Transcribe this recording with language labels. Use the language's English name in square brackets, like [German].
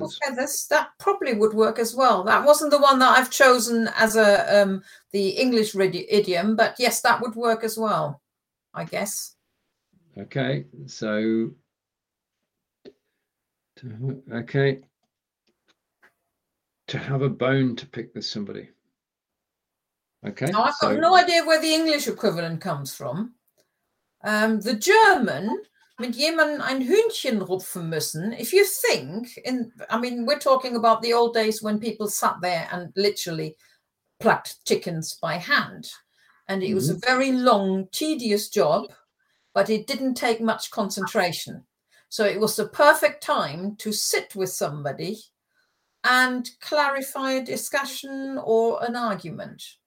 [English] Ruffle feathers, that probably would work as well. That wasn't the one that I've chosen as a the English idiom, but yes, that would work as well, I guess. Okay, so. Okay. To have a bone to pick with somebody. Okay. Now, I've got no idea where the English equivalent comes from. The German, [German] mit jemandem ein Hühnchen rupfen müssen. [English] If you think, we're talking about the old days when people sat there and literally plucked chickens by hand. And it was a very long, tedious job, but it didn't take much concentration. So it was the perfect time to sit with somebody and clarify a discussion or an argument.